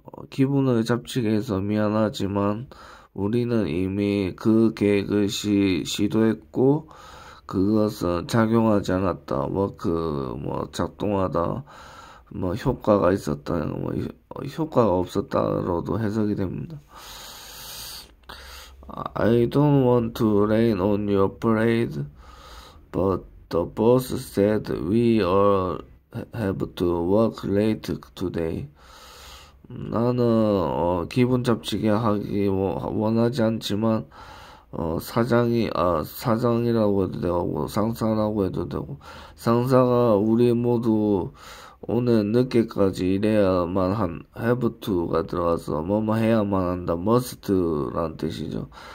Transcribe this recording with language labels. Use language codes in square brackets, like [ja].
[ko] 기분을 잡치게 해서 미안하지만 우리는 이미 그 계획을 시도했고 그것은 작용하지 않았다. 작동하다, 효과가 있었다, 효과가 없었다로도 해석이 됩니다. [en] I don't want to rain on your parade, but the boss said we all have to work late today. [ko] 나는 기분 잡치게 하기 원하지 않지만 사장이라고 해도 되고 상사라고 해도 되고 상사가 우리 모두 오늘 늦게까지 일해야만 한 have to가 들어가서 뭐뭐 해야만 한다 must란 뜻이죠.